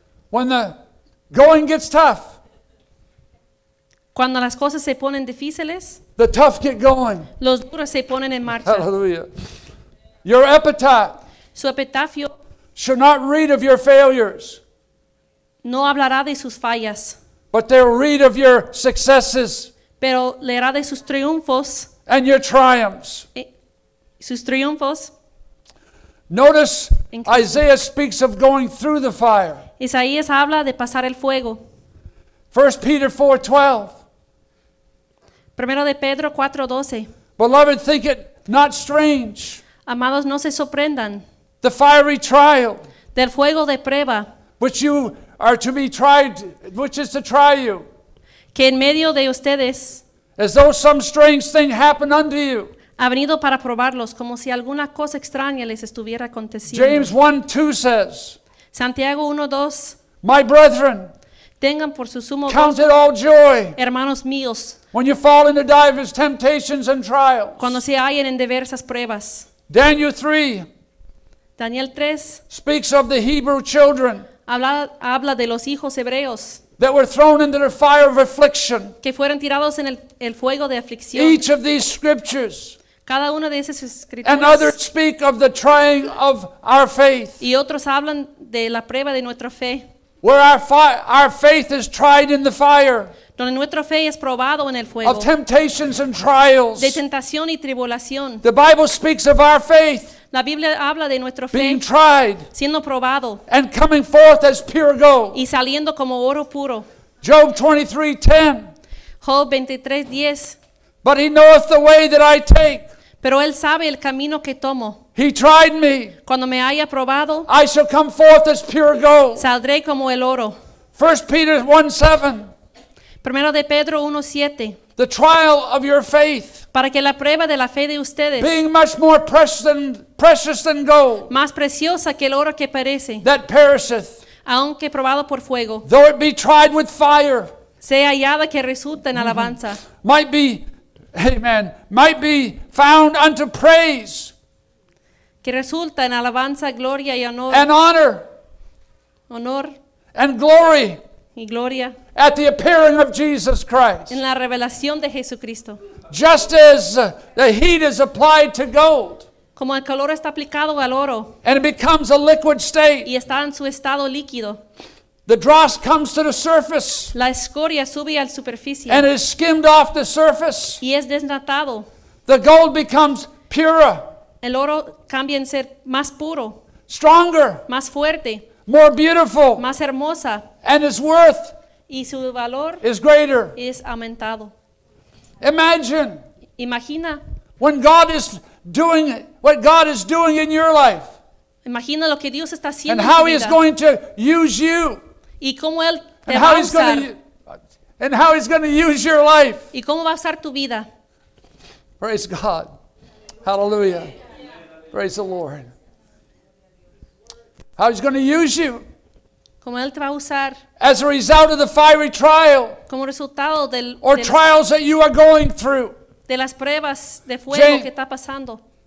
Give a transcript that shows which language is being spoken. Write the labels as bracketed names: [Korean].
[English] When the going gets tough. [Spanish] Cuando las cosas se ponen difíciles. [English] The tough get going. [Spanish] Los duros se ponen en marcha. [English] Hallelujah. Your epitaph. [Spanish] Su epitafio. [English] Shall not read of your failures. [Spanish] No hablará de sus fallas. [English] But they'll read of your successes. [Spanish] Pero leerá de sus triunfos. [English] And your triumphs. [Spanish] Sus triunfos. [English] Notice Isaiah speaks of going through the fire. [Spanish] Isaías habla de pasar el fuego. [English] 1 Peter 4:12. [Spanish] Primero de Pedro 4:12. [English] Beloved, think it not strange. [Spanish] Amados, no se sorprendan. [English] The fiery trial. [Spanish] Del fuego de prueba. [English] Which you are to be tried, which is to try you. [Spanish] Que en medio de ustedes. [English] As though some strange thing happened unto you. [Spanish] Ha venido para probarlos, como si alguna cosa extraña les estuviera aconteciendo. [English] James 1:2 says. [Spanish] Santiago 1:2. [English] My brethren. [Spanish] Tengan por su sumo [English] gozo. Count it all joy. [Spanish] Hermanos míos. [English] When you fall into diverse temptations and trials. [Spanish] Cuando se hallen en diversas pruebas. [English] Daniel 3. [Spanish] Daniel 3. [English] Speaks of the Hebrew children. [Spanish] Habla de los hijos hebreos. [English] That were thrown into the fire of affliction. [Spanish] Que fueron tirados en el fuego de aflicción. [English] Each of these scriptures. [Spanish] Cada una de esas escrituras. [English] And others speak of the trying of our faith. [Spanish] Y otros hablan de la prueba de nuestra fe. [English] Where our faith is tried in the fire. [Spanish] Donde nuestra fe es probado en el fuego. [English] Of temptations and trials. [Spanish] De tentación y tribulación. [English] The Bible speaks of our faith. [Spanish] La Biblia habla de nuestra fe. [English] Being tried. [Spanish] Siendo probado. [English] And coming forth as pure gold. [Spanish] Y saliendo como oro puro. [English] Job 23:10. [Spanish] Job 23:10. [English] But he knoweth the way that I take. [Spanish] Pero él sabe el camino que tomo. [English] He tried me. [Spanish] Cuando me haya probado. [English] I shall come forth as pure gold. [Spanish] Saldré como el oro. [English] 1 Peter 1:7. [Spanish] Primero de Pedro 1:7. [English] The trial of your faith. [Spanish] Para que la prueba de la fe de ustedes. [English] Being much more precious than gold. [Spanish] Más preciosa que el oro que perece. [English] That perisheth. [Spanish] Aunque probado por fuego. [English] Though it be tried with fire. [Spanish] Sea hallada que resulta en alabanza. [English] Might be, amen, might be found unto praise. [Spanish] Que resulta en alabanza, gloria y honor. [English] And honor. [Spanish] Honor. [English] And glory. [Spanish] Y gloria. [English] At the appearing of Jesus Christ. [Spanish] En la revelación de Jesucristo. [English] Just as the heat is applied to gold. [Spanish] Como el calor está aplicado al oro. [English] And it becomes a liquid state. [Spanish] Y está en su estado líquido. [English] The dross comes to the surface. [Spanish] La escoria sube a la superficie. [English] And it is skimmed off the surface. [Spanish] Y es desnatado. [English] The gold becomes purer. [Spanish] El oro cambia en ser más puro. [English] Stronger. [Spanish] Más fuerte. [English] More beautiful. [Spanish] Más hermosa. [English] And its worth. [Spanish] Y su valor [English] is greater. [Spanish] Es aumentado. [English] Imagine. [Spanish] Imagina. [English] When God is doing what God is doing in your life. [Spanish] Imagina lo que Dios está haciendo en tu vida. [English] And how He is going to use you. [Spanish] Y cómo él te va a usar. [English] And how He's going to use your life. [Spanish] Y cómo va a usar tu vida. [English] Praise God. Hallelujah. Praise the Lord. How He's going to use you. [Spanish] Como él te va a usar. [English] As a result of the fiery trial. [Spanish] Como resultado del. [English] Or trials that you are going through. [Spanish] De las pruebas de fuego James, que está pasando.